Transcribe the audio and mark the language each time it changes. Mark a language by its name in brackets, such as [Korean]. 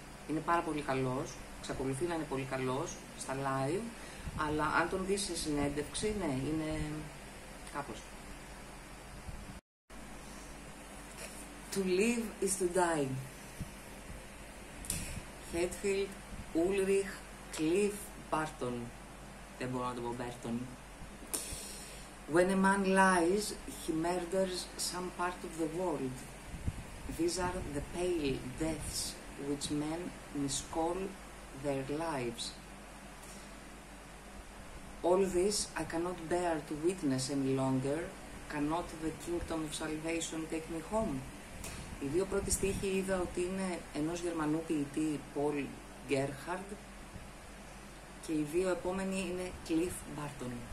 [Greek] Είναι πάρα πολύ καλός, εξακολουθεί να είναι πολύ καλός στα live, αλλά αν τον δεις σε συνέντευξη, ναι, είναι κάπως. [English] To live is to die. [Greek] Hetfield, Ulrich, Cliff, Barton. Δεν μπορώ να το πω Barton. [English] When a man lies, he murders some part of the world. These are the pale deaths which men miscall their lives. All this I cannot bear to witness any longer. Cannot the kingdom of salvation take me home? [Greek] Οι δύο πρώτοι στίχοι είδα ότι είναι ενός Γερμανού ποιητή, Paul Gerhardt, και οι δύο επόμενοι είναι Cliff Barton.